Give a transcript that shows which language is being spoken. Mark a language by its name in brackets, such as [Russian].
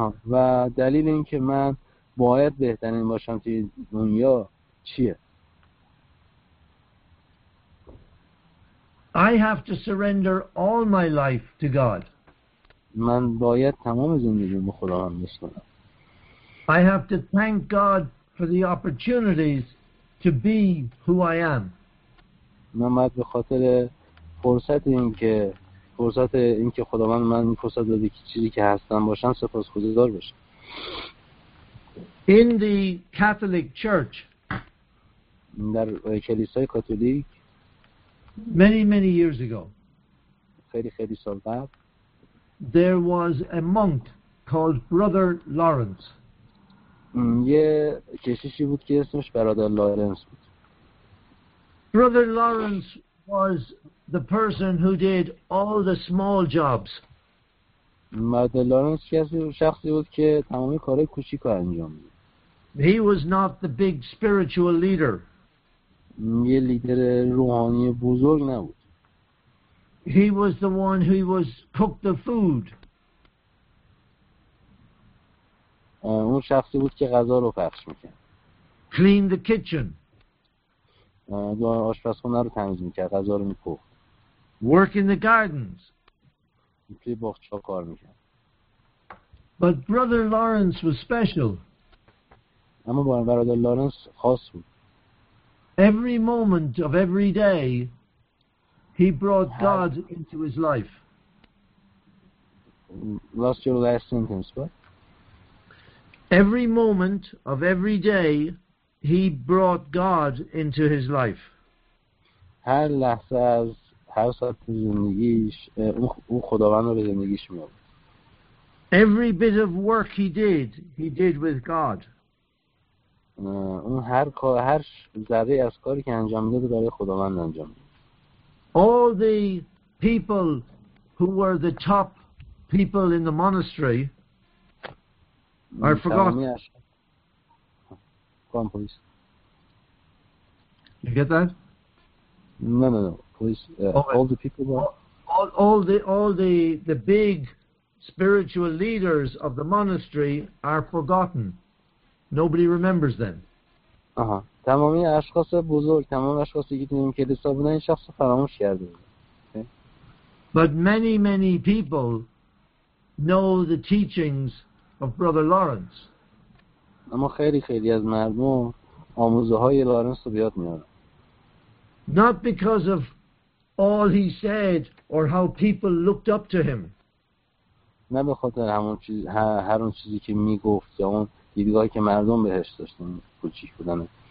[Persian] و دلیل این که من باید بهترین باشم توی دنیا چیه؟ [English] I have to surrender all my life to God. [Persian] من باید تمام زندگیم به خداوند بسپارم. [English] I have to thank God for the opportunities to be who I am. [Persian] من باید به خاطر فرصت این که خداوند من فرصت داده که چیزی که هستم باشم سپاسگزار باشم. [English] In the Catholic Church. [Persian] در کلیسای کاتولیک. [English] Many, many years ago. [Persian] خیلی خیلی سال بعد. [English] There was a monk called Brother Lawrence. [Persian] یه کشیشی بود که اسمش برادر لارنس بود. [English] Brother Lawrence was the person who did all the small jobs. [Persian] Brother Lawrence کسی شخصی بود که تمام کارهای کوچیک رو انجام می‌داد. [English] He was not the big spiritual leader. [Persian] یه لیدر روحانی بزرگ نبود. [English] He was the one who was cooked the food. [Persian] اون شخصی بود که غذا رو پخش می‌کرد. [English] Clean the kitchen. [Persian] آشپزخونه رو تمیز می‌کرد، غذا رو می‌پخت. [English] Work in the gardens. [Persian] توی باغچه‌ها کار می‌کرد. [English] But Brother Lawrence was special. [Persian] اما برادر لارنس خاص بود. [English] Every moment of every day, he brought God into his life. What's your last sentence, what? Every moment of every day, he brought God into his life. [Persian] هر لحظه از هر ساعت زندگیش او خداوند رو به زندگیش می آورد. [English] Every bit of work he did with God. [Persian] اون هر ذره از کاری که انجام داده برای خداوند انجام داده. [English] All the people who were the top people in the monastery are forgotten. Come please. You get that? No. Please. All the people. All the big spiritual leaders of the monastery are forgotten. Nobody remembers them. [Persian] تمامی اشخاص بزرگ، تمام اشخاصی که توی کلیسا بودن، این شخص رو فراموش کرده. [English] But many, many people know the teachings of Brother Lawrence. [Persian] اما خیلی خیلی از مردم آموزه‌های لارنس رو بیاد می‌آورن. [English] Not because of all he said or how people looked up to him. [Persian] نه به خاطر همون چیز، هر اون چیزی که میگفت یا اون دیدگاهی که مردم بهش داشتن کوچیک بودن.